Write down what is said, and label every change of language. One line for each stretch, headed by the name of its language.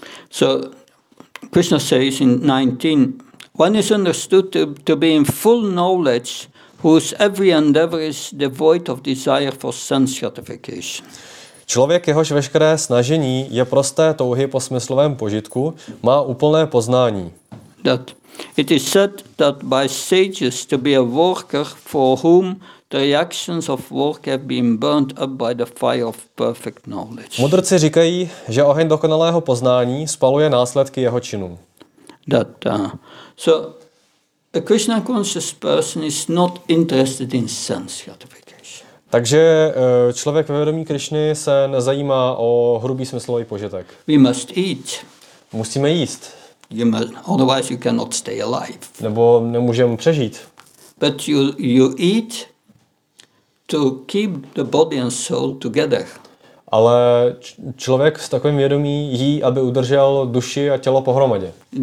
English: So Krishna says in 19, one is understood to be in full knowledge whose every endeavor is devoid of desire for sense gratification.
Czech: Člověk, jehož veškeré snažení je prosté touhy po smyslovém požitku, má úplné poznání.
English: That it is said that by sages to be a worker for whom the reactions of work have been burnt up by the fire of perfect knowledge.
Czech: Mudrci říkají, že oheň dokonalého poznání spaluje následky jeho činů.
English: That a Krishna conscious person is not interested in sense gratification.
Czech: Takže člověk ve vědomí Krišny se nezajímá o hrubý smyslový požitek.
English: We must eat.
Czech: Musíme jíst.
English: You must, otherwise you cannot stay alive.
Czech: Nebo nemůžeme přežít.
English: But you eat to keep the body and soul together.
Czech: Ale člověk s takovým vědomí jí, aby udržel duši a tělo pohromadě.